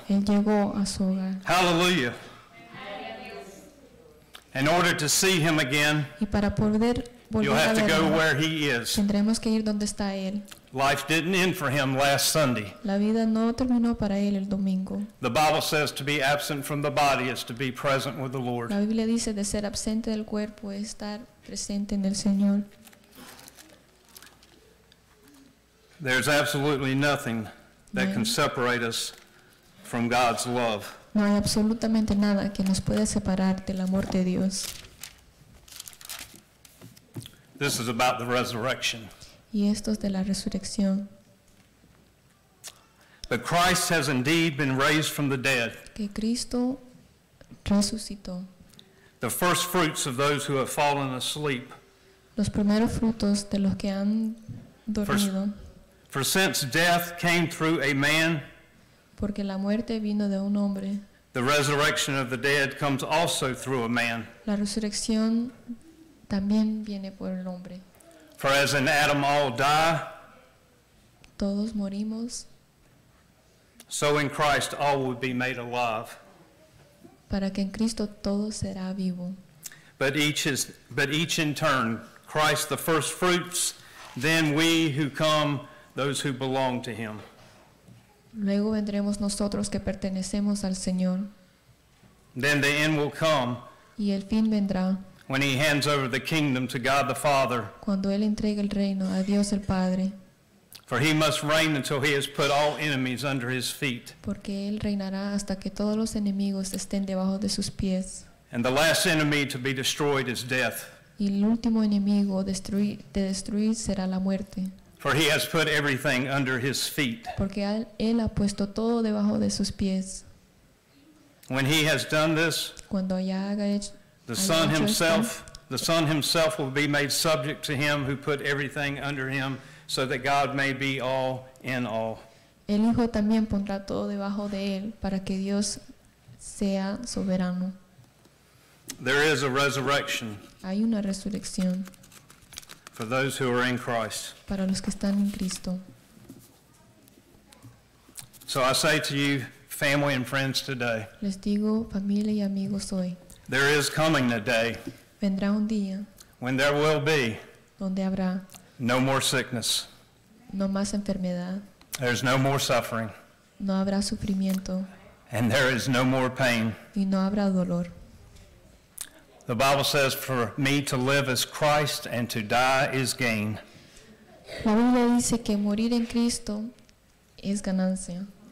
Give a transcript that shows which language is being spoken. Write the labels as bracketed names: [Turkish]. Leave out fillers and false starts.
[Spanish] Él llegó a su hogar. [English] Hallelujah. In order to see him again, [Spanish] y para poder volver [English] you'll have [Spanish] a verlo, [English] go where he is. [Spanish] Tendremos que ir donde está él. [English] Life didn't end for him last Sunday. [Spanish] La vida no terminó para él el domingo. [English] The Bible says to be absent from the body is to be present with the Lord. [Spanish] La Biblia dice de ser absente del cuerpo es estar presente en el Señor. [English] There's absolutely nothing that can separate us from God's love. [Spanish] No hay absolutamente nada que nos pueda separar del amor de Dios. [English] This is about the resurrection. [Spanish] Y esto es de la resurrección. [English] But Christ has indeed been raised from the dead. [Spanish] Que Cristo resucitó. [English] The first fruits of those who have fallen asleep. [Spanish] Los primeros frutos de los que han dormido. [English] For since death came through a man. [Spanish] Porque la muerte vino de un hombre. [English] The resurrection of the dead comes also through a man. [Spanish] La resurrección también viene por el hombre. [English] For as in Adam all die, [Spanish] todos morimos, [English] so in Christ all will be made alive. [Spanish] Para que en Cristo todo será vivo. [English] But each in turn, Christ the first fruits, then we who come, those who belong to him. [Spanish] Luego vendremos nosotros que pertenecemos al Señor. [English] Then the end will come. [Spanish] Y el fin vendrá. [English] When he hands over the kingdom to God the Father. [Spanish] Cuando él entrega el reino a Dios el Padre. [English] For he must reign until he has put all enemies under his feet. [Spanish] Porque él reinará hasta que todos los enemigos estén debajo de sus pies. [English] And the last enemy to be destroyed is death. [Spanish] Y el último enemigo de destruir será la muerte. [English] For he has put everything under his feet. [Spanish] Porque él ha puesto todo debajo de sus pies. [English] When he has done this, [Spanish] cuando ya haga hecho, [English] the Son himself, the Son himself will be made subject to him who put everything under him, so that God may be all in all. [Spanish] El Hijo también pondrá todo debajo de él para que Dios sea soberano. [English] There is a resurrection. [Spanish] Hay una resurrección. [English] For those who are in Christ. [Spanish] Para los que están en Cristo. [English] So I say to you, family and friends today. [Spanish] Les digo, familia y amigos hoy. [English] There is coming a day. [Spanish] Vendrá un día. [English] When there will be. [Spanish] Donde habrá. [English] No more sickness. [Spanish] No más enfermedad. [English] There's no more suffering. [Spanish] No habrá sufrimiento. [English] And there is no more pain. [Spanish] Y no habrá dolor. [English] The Bible says, "For me to live is Christ, and to die is gain." [Spanish] La Biblia dice que morir en Cristo es ganancia.